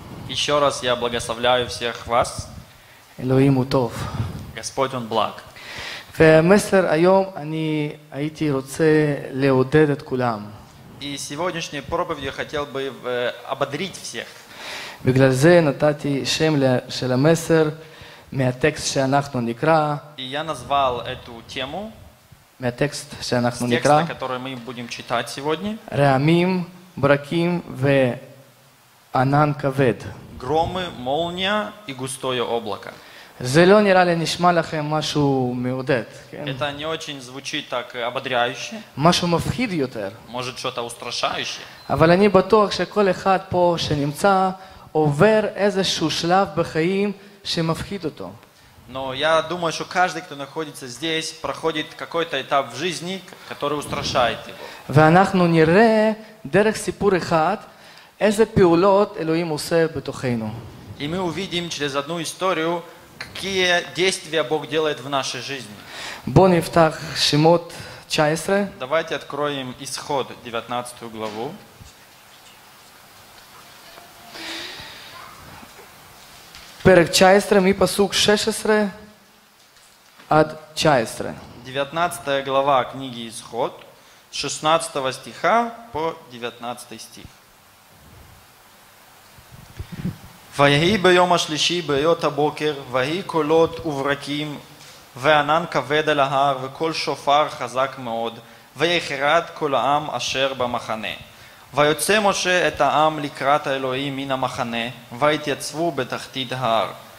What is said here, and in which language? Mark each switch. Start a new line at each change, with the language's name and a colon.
Russian: Еще раз я благословляю всех вас.
Hebrew: Элоим утов.
Russian: Господь он благ.
Hebrew: ומסר היום אני הייתי רוצה לעודד את כולם.
Russian: И сегодняшней проповедью хотел бы ободрить всех.
Hebrew: בגלל זה נתתי שם של המסר מהטקסט שאנחנו נקרא.
Russian: И я назвал эту тему.
Hebrew: מהטקסט שאנחנו
Russian: текста,
Hebrew: נקרא.
Russian: Текст, который мы будем читать сегодня.
Hebrew: רעמים, ברקים וענן כבד.
Russian: Громы, молния и густое облако.
Hebrew: זה לא נראה לי נשמע לכם משהו מעודד.
Russian: Это не очень звучит так ободряюще.
Hebrew: משהו מפחיד יותר.
Russian: Может что-то устрашающее.
Hebrew: אבל אני בטוח שכל אחד פה שנמצא עובר איזשהו שלב בחיים שמפחיד אותו.
Russian: Но я думаю, что каждый, кто находится здесь, проходит какой-то этап в жизни, который устрашает его.
Hebrew: ואנחנו נראה דרך סיפור אחד איזה פעולות אלוהים עושה בתוכנו.
Russian: И мы увидим через одну историю, какие действия Бог делает в нашей жизни.
Hebrew: Бон ифтах шимот 19.
Russian: Давайте откроем исход 19 главу.
Hebrew: Перек 19 и пасук 16 от 19.
Russian: 19 глава книги Исход, 16 стиха по 19 стих.
Hebrew: ויהי ביום השלישי בהיות הבוקר, ויהי קולות וברקים, וענן כבד על ההר, וקול שופר חזק מאוד, ויחרד כל העם אשר במחנה. ויוצא משה את העם לקראת האלוהים מן המחנה, ויתייצבו בתחתית ההר.